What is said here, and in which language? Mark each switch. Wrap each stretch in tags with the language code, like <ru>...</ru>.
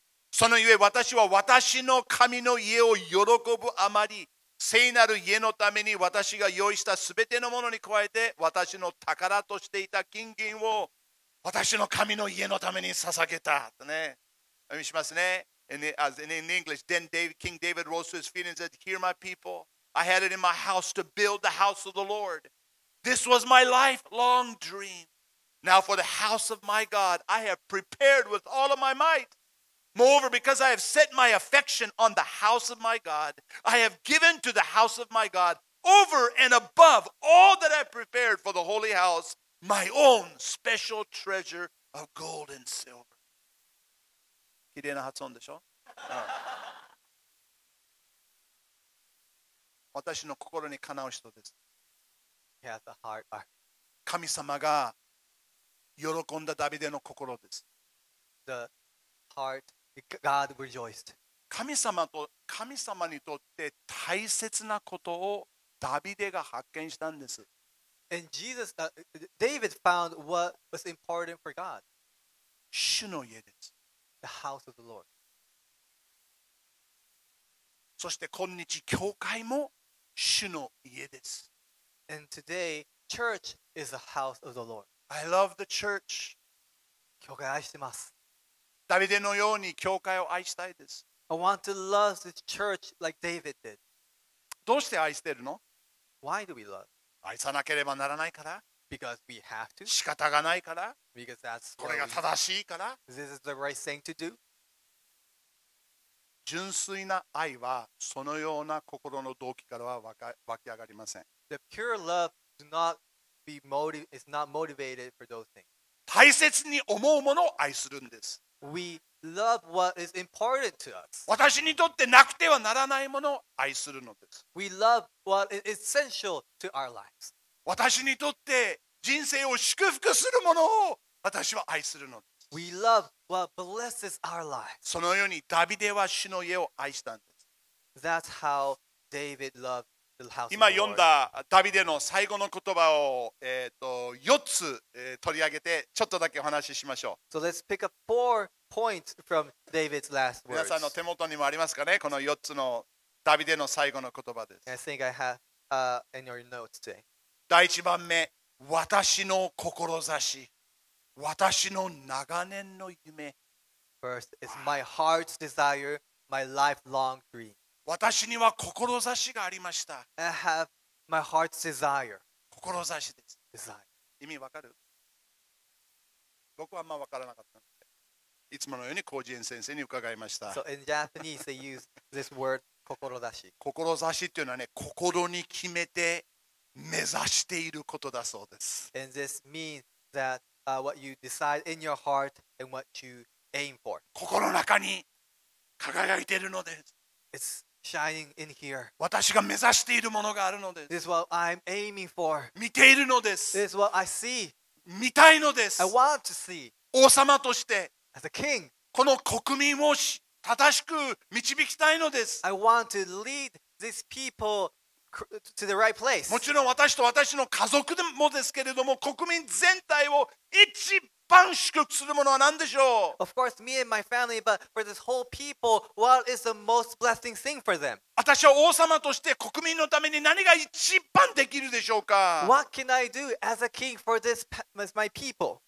<ja>そのゆえ私は私の神の家を喜ぶあまり、聖なる家のために私が用意したすべてのものに加えて私の宝としていた金銀を私の神の家のために捧げたとね。お見せしますね。</ja> <en>In English, then David, King David rose to his feet and said, Hear my people, I had it in my house to build the house of the Lord. This was my lifelong dream. Now for the house of my God, I have prepared with all of my might. Moreover, because I have set my affection on the house of my God, I have given to the house of my God over and above all that I prepared for the holy house. My own special treasure of gold and silver.</en> <ja>綺麗な発音でしょ、うん、私の心にかなう人です。</ja> <en>He has a heart.</en> <ja>神様が喜んだダビデの心です。</ja> <en>The heart God rejoiced.</en> <ja>神様にとって大切なことをダビデが発見したんです。</ja> <en>And Jesus, David found what was important for God.</en> <ja>主の家です。</ja> <en>The house of the Lord.</en> <ja>そして今日教会も主の家です。</ja> <en>And today, church is the house of the Lord. I love the church.</en> <ja>教会愛してます。ダビデのように教会を愛したいです。</ja> <en>I want to love the church like David did.</en> <ja>どうして愛してるの？</ja> <en>Why do we love?</en> <ja>愛さなければならないから</ja> <en>Because we have to.</en> <ja>仕方がないから</ja> <en>Because that's what</en> <ja>これが正しいから</ja> <en>This is the right thing to do.</en> <ja>純粋な愛はそのような心の動機からは湧き上がりません</ja> <en>The pure love do not be is not motivated for those things.</en> <ja>大切に思うものを愛するんです</ja> <en>We love what is important to us.</en> <ja>私にとってなくてはならないものを愛するのです。</ja> <en>We love what is essential to our lives.</en> <ja>私にとって人生を祝福するものを私は愛するのです。</ja> <en>We love what blesses our lives.</en> <ja>そのようにダビデは主の家を愛したんです。</ja> <en>That's how David loved the house of the Lord.</en> <ja>今読んだダビデの最後の言葉を、4つ、取り上げてちょっとだけお話ししましょう。</ja> <en>So let's pick up four. Point from David's last words.</en> <ja>皆さんの手元にもありますかね、この4つのダビデの最後の言葉です。</ja> <en>I think I have, in your notes today.</en> <ja>第1番目、私の志、私の長年の夢。</ja> <en>First, it's my heart's desire, my lifelong dream.</en> <ja>私には志がありました。</ja> <en>I have my heart's desire.</en> <ja>志です。</ja> <en>Desire.</en> <ja>意味わかる？僕はあんまわからなかった。いつものように高次元先生に伺いました。</ja> <en>So in Japanese, they use this word, 志。</en> <ja>志っていうのはね、心に決めて目指していることだそうです。</ja> <en>And this means that, what you decide in your heart and what you aim for.</en> <ja>心の中に輝いているのです。</ja> <en>It's shining in here.</en> <ja>私が目指しているものがあるのです。</ja> <en>This is what I'm aiming for.</en> <ja>見ているのです。</ja> <en>This is what I see.</en> <ja>見たいのです。</ja> <en>I want to see.</en> <ja>王様として。</ja> <en>As a king,</en> <ja>この国民を正しく導きたいのです。</ja> <en>I want to lead these people to the right place.</en> <ja>もちろん私と私の家族もですけれども、国民全体を一番祝福するものは何でしょう?</ja> <en>Of course, me and my family, but for this whole people, what is the most blessing thing for them?</en> <ja>私は王様として国民のために何が一番できるでしょうか?</ja> <en>What can I do as a king for this, as my people?</en>